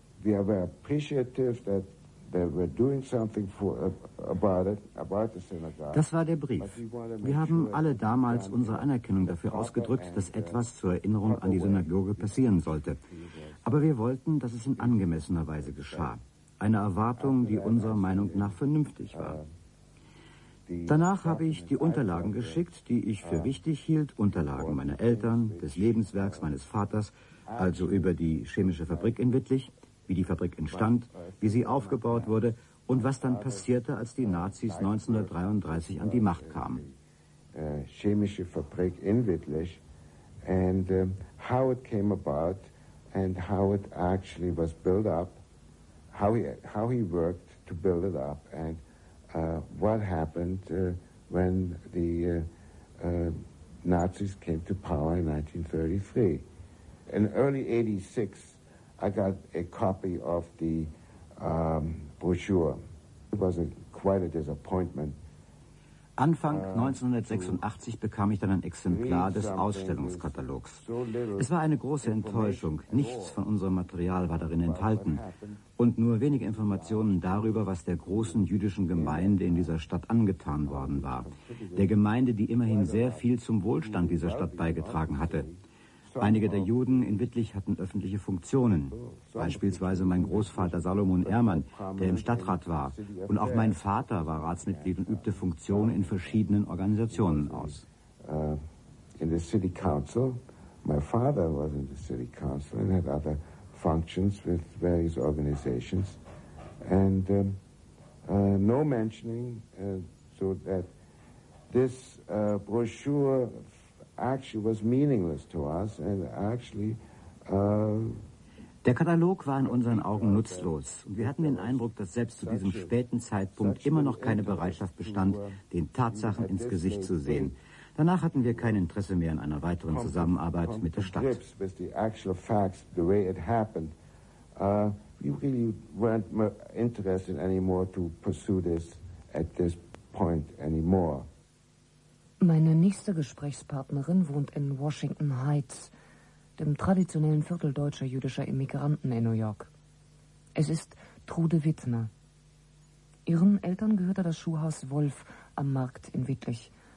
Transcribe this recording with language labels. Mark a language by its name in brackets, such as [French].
[English] We are very appreciative that they were doing something for about it, about the synagogue. [German] Das war der Brief. Wir haben alle damals unsere Anerkennung dafür ausgedrückt, dass etwas zur Erinnerung an die Synagoge passieren sollte. Aber wir wollten, dass es in angemessener Weise geschah. Eine Erwartung, die unserer Meinung nach vernünftig war. Danach habe ich die Unterlagen geschickt, die ich für wichtig hielt, Unterlagen meiner Eltern, des Lebenswerks meines Vaters, also über die chemische Fabrik in Wittlich, wie die Fabrik entstand, wie sie aufgebaut wurde und was dann passierte, als die Nazis 1933 an die Macht kamen. [English] Chemische Fabrik in Wittlich and how it came about and how it actually was built up, how he worked to build it up and what happened when the Nazis came to power in 1933. In early 86 I got a copy of the brochure. It was quite a disappointment. [German] Anfang 1986 bekam ich dann ein Exemplar des Ausstellungskatalogs. Es war eine große Enttäuschung. Nichts von unserem Material war darin enthalten. Und nur wenige Informationen darüber, was der großen jüdischen Gemeinde in dieser Stadt angetan worden war. Der Gemeinde, die immerhin sehr viel zum Wohlstand dieser Stadt beigetragen hatte. Einige der Juden in Wittlich hatten öffentliche Funktionen, beispielsweise mein Großvater Salomon Ehrmann, der im Stadtrat war, und auch mein Vater war Ratsmitglied und übte Funktionen in verschiedenen Organisationen aus. [English] In the city council, my father was in the city council and had other functions with various organizations, and no mentioning so that this brochure actually was meaningless to us and actually... [German] Der Katalog war in unseren Augen nutzlos und wir hatten den Eindruck, dass selbst zu diesem späten Zeitpunkt immer noch keine Bereitschaft bestand, den Tatsachen ins Gesicht zu sehen. Danach hatten wir kein Interesse mehr an einer weiteren Zusammenarbeit mit der Stadt. [English] With the actual facts, the way it happened, we really weren't interested anymore to pursue this at this point anymore. [German] Meine nächste Gesprächspartnerin wohnt in Washington Heights, dem traditionellen Viertel deutscher jüdischer Immigranten in New York. Es ist Trude Wittner. Ihren Eltern gehörte das Schuhhaus Wolf am Markt in Wittlich.